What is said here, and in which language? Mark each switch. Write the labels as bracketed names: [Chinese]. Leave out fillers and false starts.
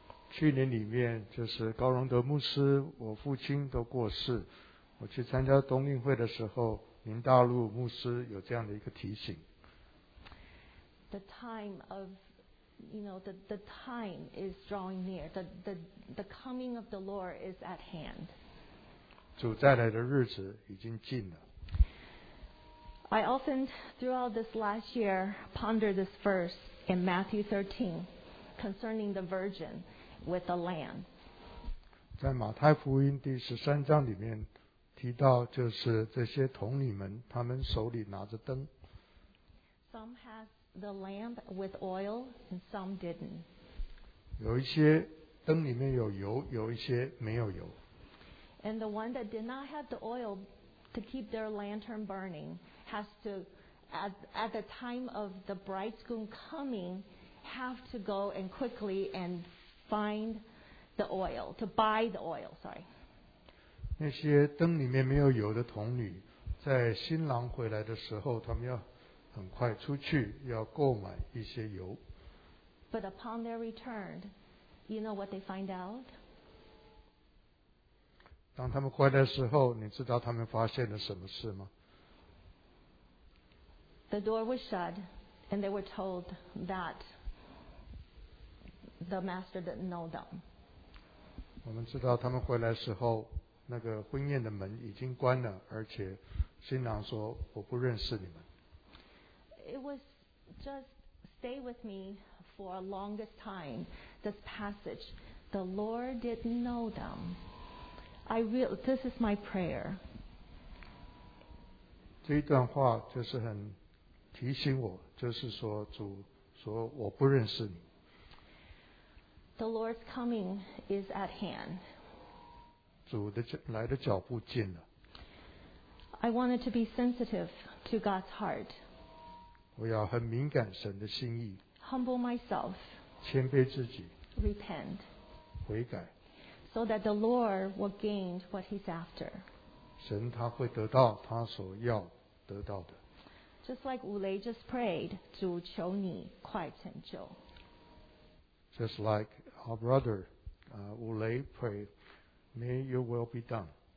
[Chinese] 去年里面就是高荣德牧师我父亲都过世，我去参加冬令会的时候林大陆牧师有这样的一个提醒。 [English] The time of, you know, the time is drawing near. The coming of the Lord is at hand. [Chinese] 主再来的日子已经近了。 [English] I often throughout this last year ponder this verse in Matthew 13 concerning the virgin with the lamb. [Chinese] 在马太福音第十三章里面提提到就是这些童女们，她们手里拿着灯。 [English] Some had the lamp with oil and some didn't. [Chinese] 有一些灯里面有油，有一些没有油。 [English] And the one that did not have the oil to keep their lantern burning has to, at the time of the bridegroom coming, have to go and quickly and find the oil, to buy the oil, sorry. [Chinese] 那些灯里面没有油的童女，在新郎回来的时候，他们要很快出去，要购买一些油。 [English] But upon their return, you know what they find out? [Chinese] 当他们回来的时候，你知道他们发现了什么事吗 [English] ？The door was shut, and they were told that the master didn't know them. [Chinese] 我们知道他们回来的时候，那个婚宴的门已经关了，而且新郎说我不认识你们。 [English] It was just stay with me for a longest time. This passage, the Lord didn't know them. This is my prayer. [Chinese] 这一段话就是很提醒我，就是说主说我不认识你。 [English] The Lord's coming is at hand. [Chinese] 主的来的脚步近了。 [English] I wanted to be sensitive to God's heart. [Chinese] 我要很敏感神的心意。 [English] Humble myself. [Chinese] 谦卑自己。 [English] Repent. [Chinese] 悔改。 [English] So that the Lord will gain what He's after. [Chinese] 神他会得到他所要得到的。 [English] Just like Wu Lei just prayed, [Chinese] 主求你快成就。 [English] Just like our brother, Wu Lei prayed, may your will be done.